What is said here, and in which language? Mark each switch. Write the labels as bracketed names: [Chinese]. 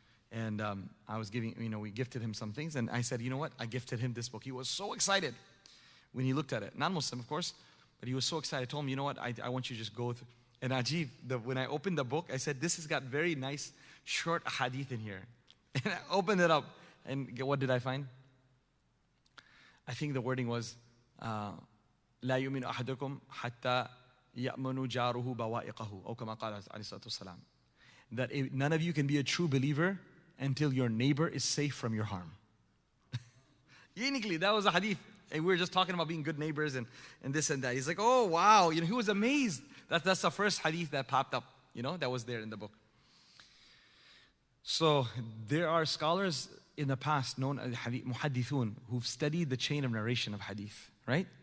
[English] And I was giving, you know, we gifted him some things. And I said, you know what? I gifted him this book. He was so excited when he looked at it. Non-Muslim, of course. But he was so excited. I told him, you know what? I want you to just go through. And Ajib, when I opened the book, I said, this has got very nice short hadith in here. And I opened it up. And what did I find? [Arabic] I think the wording was لا يؤمن أحدكم حتى يأمن جاره بوائقه أو كما قال عليه الصلاة والسلام. [English] That none of you can be a true believer until your neighbor is safe from your harm. Uniquely, that was a hadith. And we were just talking about being good neighbors and this and that. He's like, oh wow. You know, he was amazed. That's the first hadith that popped up, you know, that was there in the book. So there are scholars in the past known as muhaddithun, who've studied the chain of narration of hadith, right?